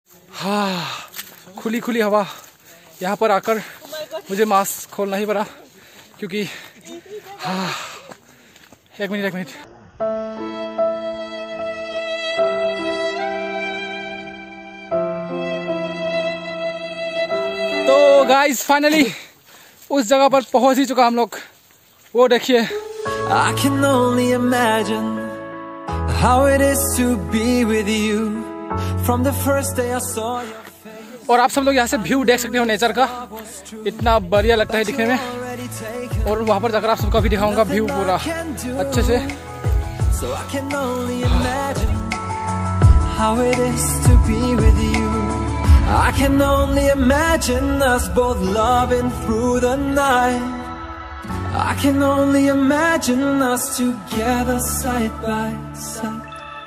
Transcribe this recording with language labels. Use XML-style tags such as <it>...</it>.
<hi>हाँ, खुली खुली हवा. यहाँ पर आकर मुझे मास्क खोलना ही पड़ा क्योंकि हाँ, एक मिनट. तो गाइस फाइनली उस जगह पर पहुंच ही चुका हम लोग, वो देखिए.</hi> <en>I can only imagine how it is to be with you from the first day I saw your face.</en> <hi>और आप सब लोग यहाँ से व्यू देख सकते हो नेचर का, इतना बढ़िया लगता है दिखने में. और वहाँ पर जाकर आप सबको भी दिखाऊंगा व्यू पूरा अच्छे से.</hi> <en>So I can only imagine how it is to be with you. I can only imagine us both loving through the night. I can only imagine us together side by side.</en>